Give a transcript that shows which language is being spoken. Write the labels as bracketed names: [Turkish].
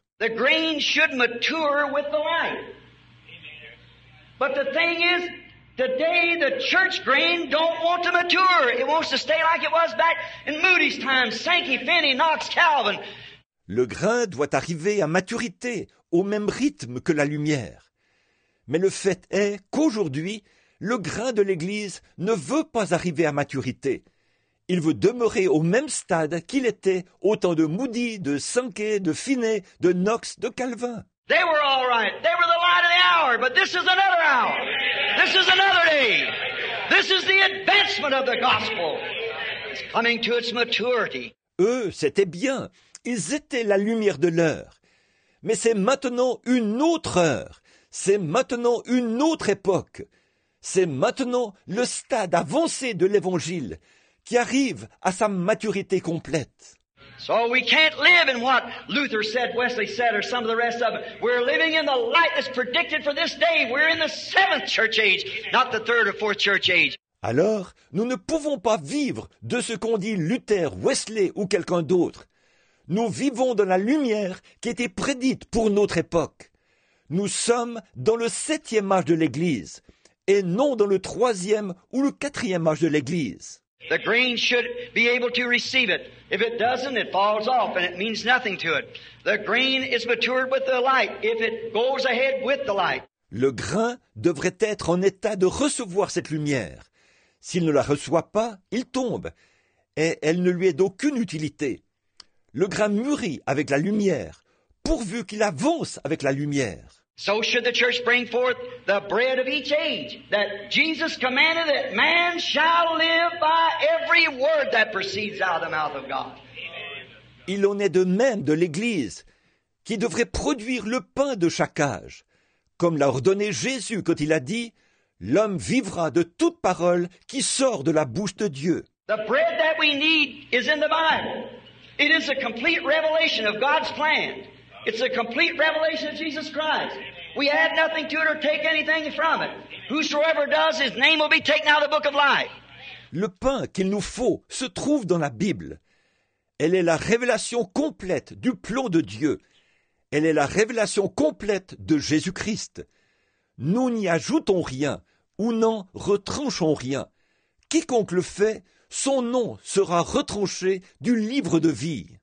[English] The grain should mature with the light. But the thing is, today the church grain don't want to mature. It wants to stay like it was back in Moody's time, Sankey, Finney, Knox, Calvin. [French] Le grain doit arriver à maturité, au même rythme que la lumière. Mais le fait est qu'aujourd'hui, le grain de l'Église ne veut pas arriver à maturité. Il veut demeurer au même stade qu'il était au temps de Moody, de Sankey, de Finney, de Knox, de Calvin. [English] They were all right. They were the light of the hour, but this is another hour. This is another day. This is the advancement of the gospel. It's coming to its maturity. [French] Eux, c'était bien. Ils étaient la lumière de l'heure. Mais c'est maintenant une autre heure. C'est maintenant une autre époque. C'est maintenant le stade avancé de l'Évangile qui arrive à sa maturité complète. [English] So we can't live in what Luther said, Wesley said, or some of the rest of it. We're living in the light that's predicted for this day. We're in the seventh church age, not the third or fourth church age. [French] Alors, nous ne pouvons pas vivre de ce qu'ont dit Luther, Wesley ou quelqu'un d'autre. Nous vivons dans la lumière qui était prédite pour notre époque. Nous sommes dans le septième âge de l'Église, et non dans le troisième ou le quatrième âge de l'Église. [English] The grain should be able to receive it. If it doesn't, it falls off and it means nothing to it. The grain is matured with the light if it goes ahead with the light. [French] Le grain devrait être en état de recevoir cette lumière. S'il ne la reçoit pas, il tombe et elle ne lui est d'aucune utilité. Le grain mûrit avec la lumière, pourvu qu'il avance avec la lumière. [English] So should the church bring forth the bread of each age, that Jesus commanded that man shall live by every word that proceeds out of the mouth of God. [French] Il en est de même de l'Église, qui devrait produire le pain de chaque âge, comme l'a ordonné Jésus quand il a dit, « L'homme vivra de toute parole qui sort de la bouche de Dieu. » [English] The bread that we need is in the Bible. It is a complete revelation of God's plan. It's a complete revelation of Jesus Christ. We add nothing to it or take anything from it. Whosoever does, his name will be taken out of the book of life. [French] Le pain qu'il nous faut se trouve dans la Bible. Elle est la révélation complète du plan de Dieu. Elle est la révélation complète de Jésus-Christ. Nous n'y ajoutons rien ou n'en retranchons rien. Quiconque le fait, son nom sera retranché du livre de vie.